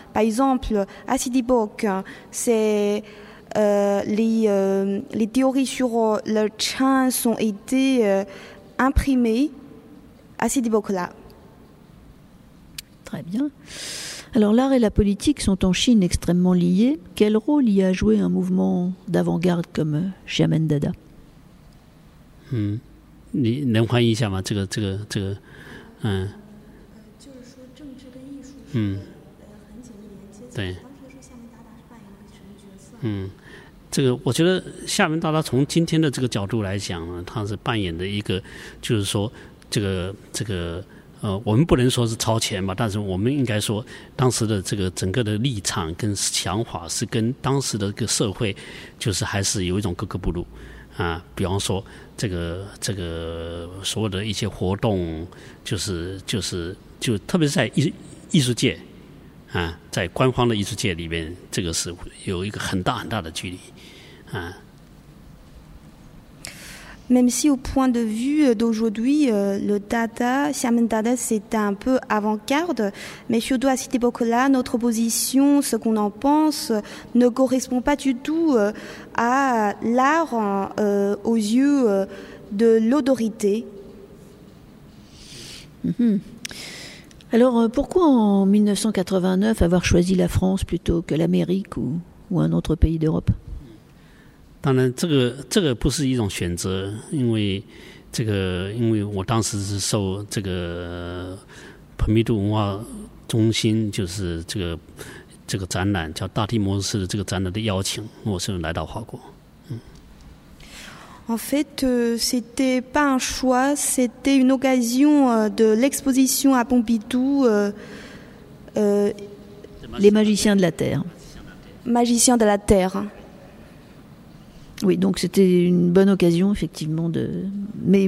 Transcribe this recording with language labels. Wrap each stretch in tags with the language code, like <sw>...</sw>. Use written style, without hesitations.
<fr>Par exemple, à Sidi Bok, c'est les théories sur le Chan ont été imprimées à Sidi Bok là. Très bien. Alors l'art et la politique sont en Chine extrêmement liés. Quel rôle y a joué un mouvement d'avant-garde comme Xiamen Dada ?</fr> <zh>你能翻译一下吗？这个，就是说政治跟艺术是很紧密连接。对，当时是厦门达达扮演一个什么角色？这个我觉得厦门达达从今天的这个角度来讲呢，他是扮演的一个，就是说这个我们不能说是超前吧，但是我们应该说当时的这个整个的立场跟想法是跟当时的这个社会就是还是有一种格格不入。啊，比方说这个所有的一些活动，就特别是在艺术界，啊，在官方的艺术界里面，这个是有一个很大很大的距离，啊。</zh> <fr>Même si au point de vue d'aujourd'hui, le Dada, Xiamen Dada, c'est un peu avant-garde, mais surtout à cette époque-là, notre position, ce qu'on en pense, ne correspond pas du tout à l'art aux yeux de l'autorité. Alors, pourquoi en 1989 avoir choisi la France plutôt que l'Amérique ou un autre pays d'Europe ?</fr> <zh>当然这个不是一种选择，因为这个因为我当时是受这个彭密度文化中心就是这个展览叫大地模式的这个展览的邀请，我是来到华国。</zh> <fr>En fait, c'était pas un choix, c'était une occasion de l'exposition à Pompidou, Les magiciens de la Terre. Magiciens de la Terre. Oui, donc c'était une bonne occasion, effectivement. De...</fr>